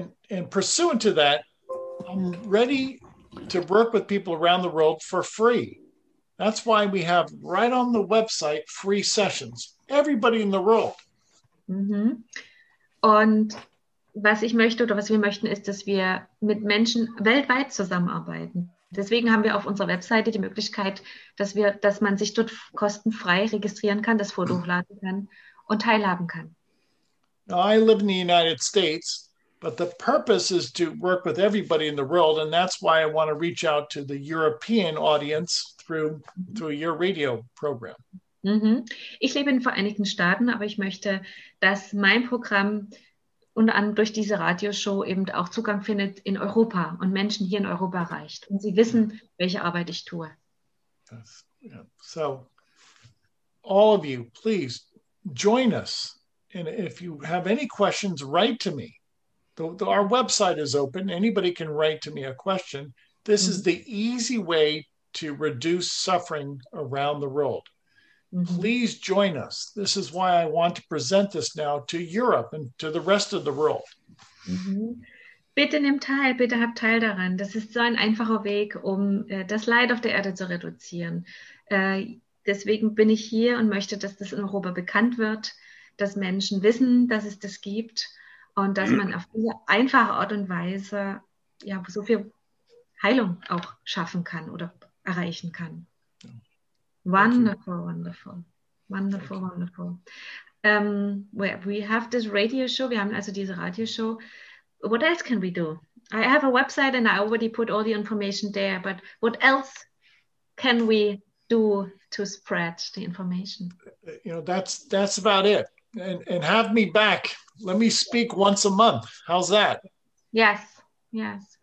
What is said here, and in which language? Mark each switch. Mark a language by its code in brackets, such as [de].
[en] And pursuant to that, I'm ready to work with people around the world for free. That's why we have right on the website free sessions. Everybody in the world. Mm-hmm. [de] Und was ich möchte oder was wir möchten, ist, dass wir mit Menschen weltweit zusammenarbeiten. Deswegen haben wir auf unserer Webseite die Möglichkeit, dass man sich dort kostenfrei registrieren kann, das Foto hochladen kann und teilhaben kann. [en] Now, I live in the United States. But the purpose is to work with everybody in the world, and that's why I want to reach out to the European audience through your radio program. Mm-hmm. [de] Ich lebe in den Vereinigten Staaten, aber ich möchte, dass mein Programm unter anderem durch diese Radioshow eben auch Zugang findet in Europa und Menschen hier in Europa erreicht. Und sie wissen, welche Arbeit ich tue. [en] So, all of you, please join us. And if you have any questions, write to me. Our website is open. Anybody can write to me a question. This is the easy way to reduce suffering around the world. Please join us. This is why I want to present this now to Europe and to the rest of the world. [de] Bitte nimm teil. Bitte hab teil daran. Das ist so ein einfacher Weg, um das Leid auf der Erde zu reduzieren. Deswegen bin ich hier und möchte, dass das in Europa bekannt wird. dass Menschen wissen, dass es das gibt und dass man auf diese einfache Art und Weise ja so viel Heilung auch schaffen kann oder erreichen kann. [en] Wonderful, wonderful. Wonderful, wonderful. We have this radio show. [de] Wir haben also diese Radioshow. [en] What else can we do? I have a website and I already put all the information there, but what else can we do to spread the information? You know, that's about it. And have me back. Let me speak once a month. How's that? Yes, yes.